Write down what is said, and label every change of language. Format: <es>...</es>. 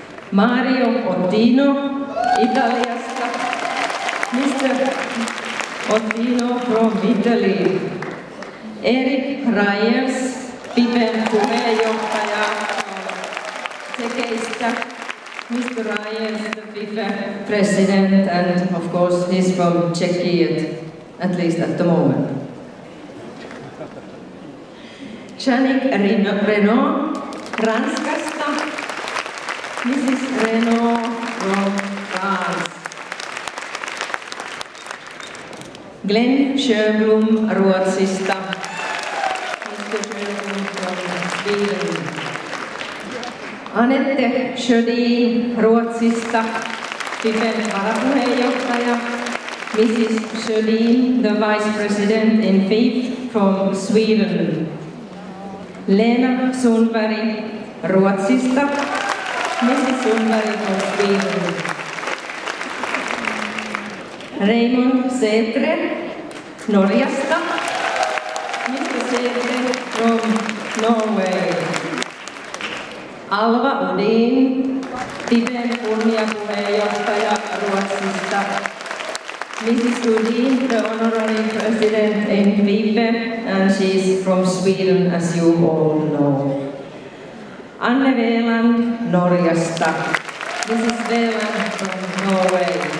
<fi>Mario Ottino, Italiasta. Mr.</fi> <en>Ottino from Italy.</en> <fi>Erik Reyes, FIFEn puheenjohtaja Tsekeistä.</fi> <en>Mr. Reyes, the FIFA president, and of course he's from Czechia, at least at the moment.</en> <fi>Janik Renault, Ranskasta. Mrs.</fi> <en>Renault from France.</en> <fi>Glenn Sjöblom, Ruotsista. Mr.</fi> <en>Sjöblom from Sweden. Anette Sjödin,</en> <fi>Ruotsista. FIFEn varapuheenjohtaja.</fi> <en>Mrs. Sjödin, the vice president in FIFA from Sweden.</en> <fi>Lena Sundberg, Ruotsista. Mrs.</fi> <en>Sundberg from Sweden.</en> <fi>Raymond Setre, Norjasta. Mr.</fi> <en>Setre from Norway.</en> <fi>Alva Udin, FIFEn kunniapuheenjohtaja Ruotsista.</fi> <en>Mrs. Udin, the honorary president in FIFA, and she is from Sweden, as you all know. Anne Veland</en> <fi>Norjasta.</fi> <en>This is Veland from Norway.</en>